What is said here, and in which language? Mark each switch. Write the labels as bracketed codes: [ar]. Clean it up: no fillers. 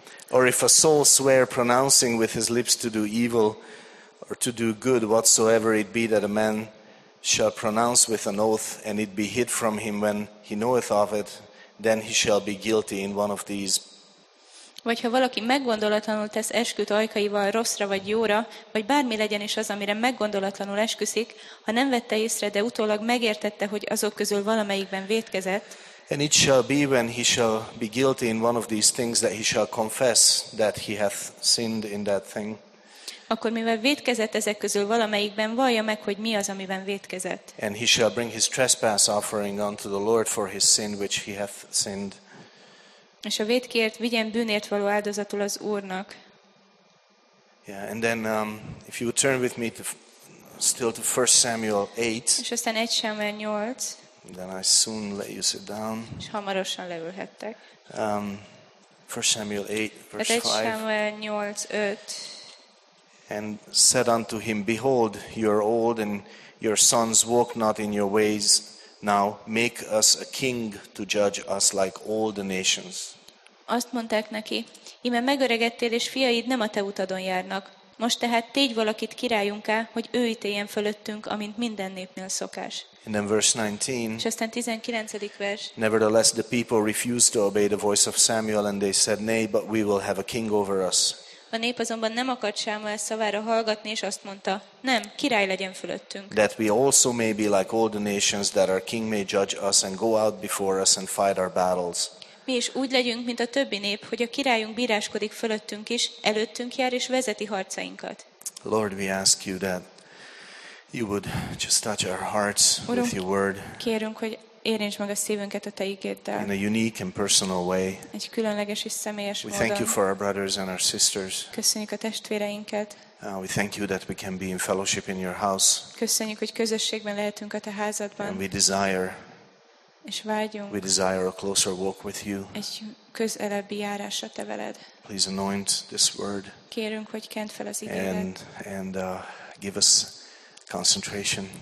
[en] Or if a soul swear pronouncing with his lips to do evil or to do good, whatsoever it be that a man shall pronounce with an oath, and it be hid from him when he knoweth of it, then he shall be guilty in one of these. [hu] Vagy ha valaki meggondolatlanul tesz esküt ajkaival rosszra vagy jóra, vagy bármi legyen is az, amire meggondolatlanul esküszik, ha nem vette észre, de utólag megértette, hogy azok közül valamelyikben vétkezett, [en] and it shall be when he shall be guilty in one of these things that he shall confess that he hath sinned in that thing. [hu] Akkor mivel vétkezett ezek közül valamelyikben, vallja meg, hogy mi az, amiben vétkezett. [en] And he shall bring his trespass offering unto the Lord for his sin which he hath sinned. [hu] És a vétkért vigyen bűnért való áldozatul az Úrnak. [en] Yeah, and then if you would turn with me to still to 1 Samuel 8. [hu] És aztán 1 Samuel 8. [en] Then I soon let you sit down. [hu] És hamarosan leülhettek. [en] 1 Samuel 8, verse 5. [hu] Samuel 8, 5. [en] And said unto him, behold, you are old, and your sons walk not in your ways. Now make us a king to judge us like all the nations. [hu] Azt mondták neki, íme megöregedtél, és fiaid nem a te utadon járnak. Most tehát tégy valakit királyunká, hogy ő ítéljen fölöttünk, amint minden népnél szokás. [en] And then verse 19. [hu] És aztán 19. vers. [en] Nevertheless the people refused to obey the voice of Samuel, and they said, nay, but we will have a king over us. [hu] A nép azonban nem akart Sámuel szavára hallgatni, és azt mondta, nem, király legyen fölöttünk. [en] That we also may be like all the nations, that our king may judge us and go out before us and fight our battles. [hu] Mi is úgy legyünk, mint a többi nép, hogy a királyunk bíráskodik fölöttünk is, előttünk jár és vezeti harcainkat. [en] Lord, we ask you that you would just touch our hearts. [hu] Urunk, [en] with your word. [hu] Kérünk, hogy érints meg a szívünket a te ígéddel. [en] In a unique and personal way. [hu] Egy különleges és személyes [en] we [hu] módon. [en] We thank you for our brothers and our sisters. [hu] Köszönjük a testvéreinket. [en] We thank you that we can be in fellowship in your house. [hu] Köszönjük, hogy közösségben lehetünk a te házadban. [en] And we desire. [hu] És vágyunk. [en] We desire a closer walk with you. [hu] Egy közelebbi járásra te veled. [en] Please anoint this word. [hu] Kérünk, hogy kent fel az igédet. [en] And give us concentration.